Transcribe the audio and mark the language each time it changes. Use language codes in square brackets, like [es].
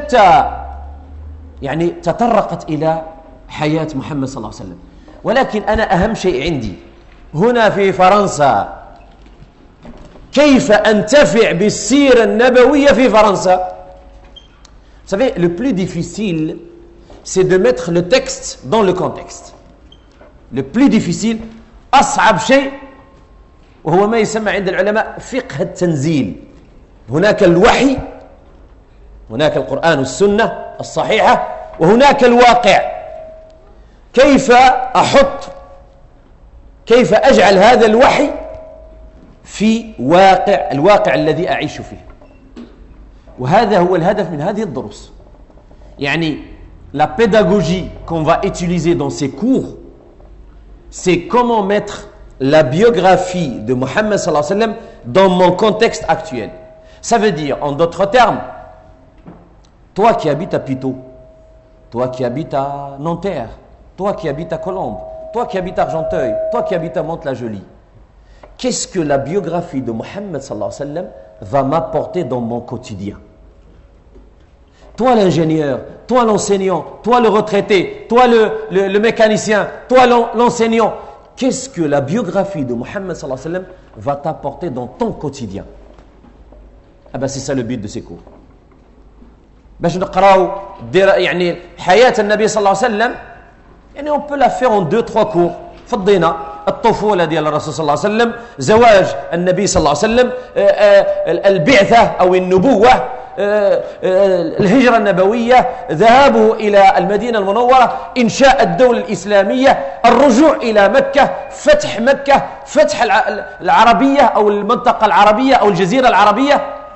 [fr] On a beaucoup de livres sur la [ar] حياة محمد صلى الله عليه وسلم. ولكن أنا أهم شيء عندي هنا في فرنسا كيف أنتفع بالسيرة النبوية في فرنسا. [fr] Vous savez, le plus difficile c'est de mettre le texte dans le contexte. Le plus difficile, [ar] أصعب شيء وهو ما يسمى عند العلماء فقه التنزيل. هناك الوحي, هناك القرآن والسنة الصحيحة, وهناك الواقع. كيف أحط, كيف أجعل هذا الوحي في واقع, الواقع الذي أعيش فيه. وهذا هو الهدف من هذه الدروس. [fr] يعني la pédagogie qu'on va utiliser dans ces cours c'est comment mettre la biographie de Mohammed صلى الله عليه وسلم dans mon contexte actuel. Ça veut dire, en d'autres termes, toi qui habites à Pitot, toi qui habites à Nanterre, toi qui habites à Colombes, toi qui habites à Argenteuil, toi qui habites à Mantes-la-Jolie, qu'est-ce que la biographie de Mohammed sallallahu alayhi wa sallam va m'apporter dans mon quotidien? Toi l'ingénieur, toi l'enseignant, toi le retraité, toi le mécanicien, toi l'enseignant, qu'est-ce que la biographie de Mohammed sallallahu alayhi wa sallam va t'apporter dans ton quotidien? Eh bien, c'est ça le but de ces cours. [ar] باش نقراو دير يعني حياة النبي صلى الله عليه وسلم. [fr] يعني on peut la faire en 2-3 cours. [ar] فضينا الطفولة ديال الرسول صلى الله عليه وسلم, زواج النبي صلى الله عليه وسلم, البعثة أو النبوة, الهجرة النبوية, ذهابه إلى المدينة المنورة, إنشاء الدولة الإسلامية, الرجوع إلى مكة, فتح مكة, فتح العربية أو المنطقة العربية أو الجزيرة العربية.